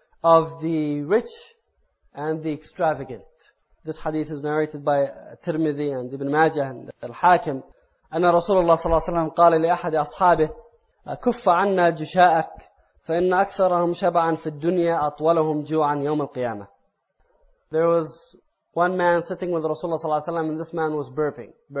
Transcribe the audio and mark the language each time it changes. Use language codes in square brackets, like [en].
[en] of the rich and the extravagant. This hadith is narrated by Tirmidhi and Ibn Majah and Al-Hakim. [ar] أن رسول الله صلى الله عليه وسلم قال لأحد أصحابه كف عنا جشاءك فإن أكثرهم شبعا في الدنيا أطولهم جوعا يوم القيامة. [en] There was one man sitting with رسول الله صلى الله عليه وسلم and this man was burping.